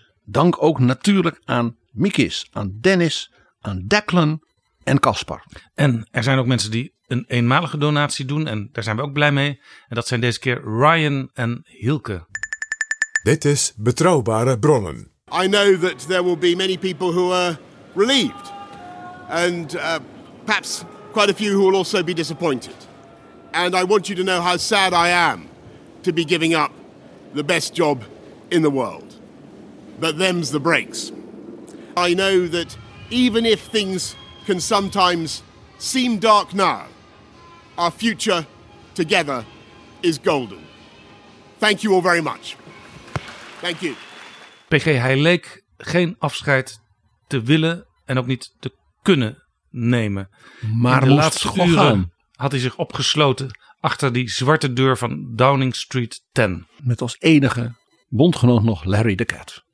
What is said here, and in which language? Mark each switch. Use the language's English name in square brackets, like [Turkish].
[Dutch] Dank ook natuurlijk aan Mikis, aan Dennis, aan Declan en Kaspar. En er zijn ook mensen die een eenmalige donatie doen en daar zijn we ook blij mee. En dat zijn deze keer Ryan en Hilke. Dit is Betrouwbare Bronnen. [English] I know that there will be many people who are relieved. And perhaps quite a few who will also be disappointed. And I want you to know how sad I am to be giving up the best job in the world. But them's the breaks. I know that even if things can sometimes seem dark now, our future together is golden. Thank you all very much. Thank you. [Dutch] PG, hij leek geen afscheid te willen en ook niet te kunnen nemen. Maar in de laatste uren had hij zich opgesloten achter die zwarte deur van Downing Street 10. Met als enige bondgenoot nog Larry the Cat.